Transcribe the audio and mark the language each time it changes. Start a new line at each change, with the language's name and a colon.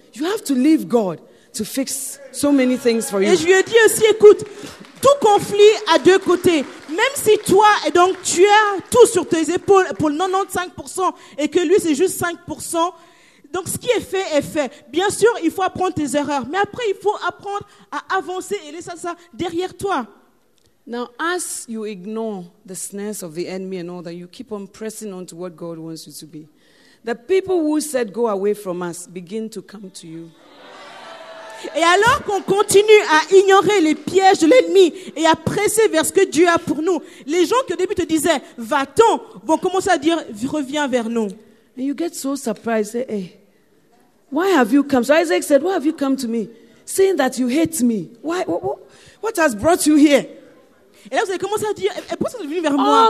English: You have to leave God to fix so many things for you.
French: Et je lui ai dit aussi, écoute, tout conflit a deux côtés. Même si toi, et donc tu as tout sur tes épaules pour 95% et que lui, c'est juste 5%, donc ce qui est fait est fait. Bien sûr, il faut apprendre tes erreurs, mais après, il faut apprendre à avancer et laisser ça derrière toi.
English: Now, as you ignore the snares of the enemy and all that, you keep on pressing on to what God wants you to be. The people who said, go away from us, begin to come to you.
French: Et alors qu'on continue à ignorer les pièges de l'ennemi et à presser vers ce que Dieu a pour nous, les gens qui au début te disaient, va-t'en, vont commencer à dire, reviens vers nous.
English: And you get so surprised, say, hey, why have you come? So Isaac said, why have you come to me? Saying that you hate me. Why? What has brought you here?
French: Et là, vous avez commencé à dire, pourquoi vous êtes venu vers moi?